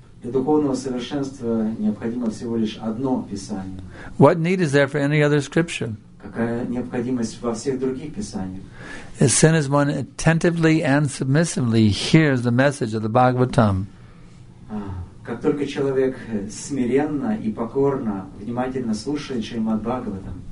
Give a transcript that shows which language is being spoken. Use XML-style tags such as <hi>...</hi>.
<ru>Для духовного совершенства необходимо всего лишь одно писание.</ru> <en>What need is there for any other scripture?</en> <ru>Какая необходимость во всех других писаниях?</ru> <en>As soon as one attentively and submissively hears the message of the Bhagavatam.</en> <ru>Как только человек смиренно и покорно внимательно слушает Шримад-Бхагаватам.</ru>